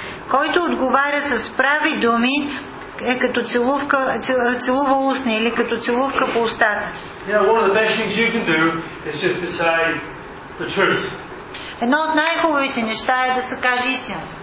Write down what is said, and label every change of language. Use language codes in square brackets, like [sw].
[bg] Който отговаря с прави думи, е като целувка, целува устни или като целувка по устата. [en] One of the best things you can do is just to say the truth. [bg] Едно от най-хубавите неща е да се каже истина.